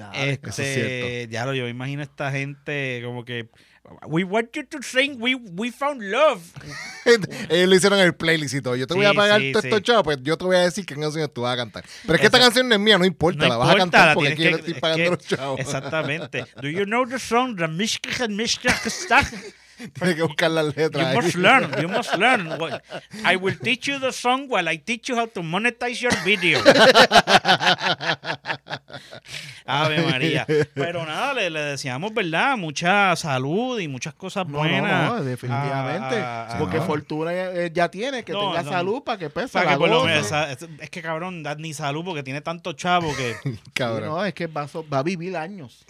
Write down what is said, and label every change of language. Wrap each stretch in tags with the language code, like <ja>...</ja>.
<es>Eso es cierto. Ya lo yo imagino a esta gente como que</es> <en>we want you to sing, we found love.</en> <es>Ellos le hicieron el playlist y todo. Yo te voy a pagar todo esto, chavo, pues yo te voy a decir qué canciones tú vas a cantar. Pero es que esta canción no es mía, no importa, la vas a cantar porque aquí yo le estoy pagando los chavos. Exactamente.</es> <en>Do you know the song Ramishka and Mishka Kstak?</en> <es>Tiene que buscar las letras.</es> <en>You must learn. I will teach you the song while I teach you how to monetize your video.</en> <es>Ave María. Pero nada, le deseamos, ¿verdad? Mucha salud y muchas cosas buenas. No, definitivamente. Porque fortuna ya tiene, que tenga salud para que pese la cosa. Es que cabrón, ni salud porque tiene tanto chavo que... cabrón. No, es que va a vivir años.</es>